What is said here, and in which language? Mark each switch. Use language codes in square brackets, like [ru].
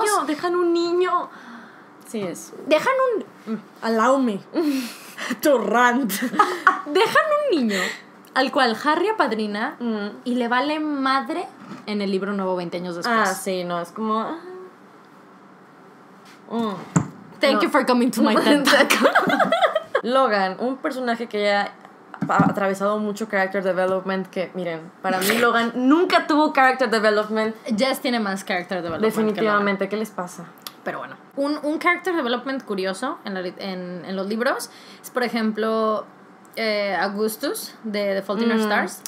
[es] Niño, dejan un niño. Sí, es. Dejan un... [en] Allow me. To rant. [es] Dejan un niño al cual Harry apadrina y le vale madre en el libro nuevo 20 años después. Ah, sí, no, es como... [en] Thank you for coming to my TED Talk. [es] Logan, un personaje que ya... ha atravesado mucho character development. Que miren, para mí Logan nunca tuvo character development. Jess tiene más character development. Definitivamente, ¿qué les pasa? Pero bueno, un character development curioso en los libros es, por ejemplo, Augustus de The Fault in Our Stars.